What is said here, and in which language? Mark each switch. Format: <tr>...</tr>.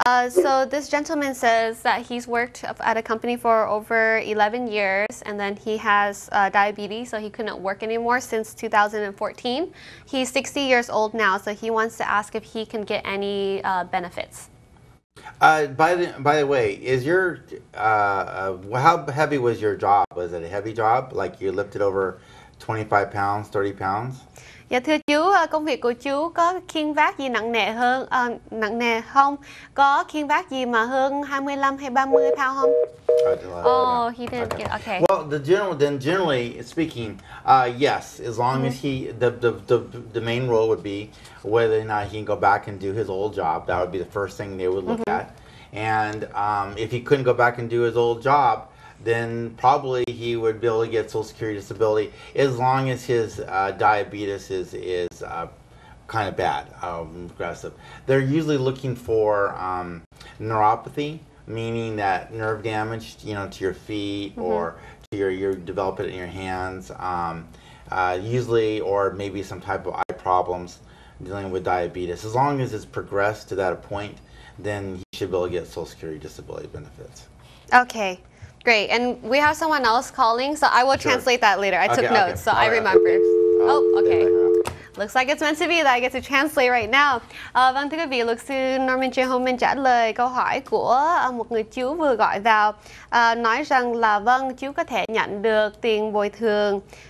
<en>So this gentleman says that he's worked at a company for over 11 years and then he has diabetes, so he couldn't work anymore since 2014. He's 60 years old now, so he wants to ask if he can get any benefits. By the way, is your how heavy was your job? Was it a heavy job? Like you lifted over 25 pounds, 30 pounds?</en> <vi>Dạ thưa chú, công việc của chú có khiêng vác gì nặng nề hơn, nặng nề không? Có khiêng vác gì mà hơn 25 hay 30 pound không?</vi> <en>He didn't get, okay. Well, generally speaking, yes, as long as he, the main role would be whether or not he can go back and do his old job. That would be the first thing they would look at. And if he couldn't go back and do his old job, then probably he would be able to get Social Security disability as long as his diabetes is kind of bad, aggressive. They're usually looking for neuropathy, meaning that nerve damage, you know, to your feet or to your develop it in your hands, usually, or maybe some type of eye problems dealing with diabetes. As long as it's progressed to that point, then he should be able to get Social Security disability benefits. Okay. Great, and we have someone else calling, so I will translate that later. I took notes, so I remember. Oh, okay. Looks like it's meant to be that I get to translate right now.</en> <vi>Vâng, thưa quý vị, luật sư Norman J. Homen trả lời câu hỏi của một người chú vừa gọi vào, nói rằng là vâng, chú có thể nhận được tiền bồi thường.</vi>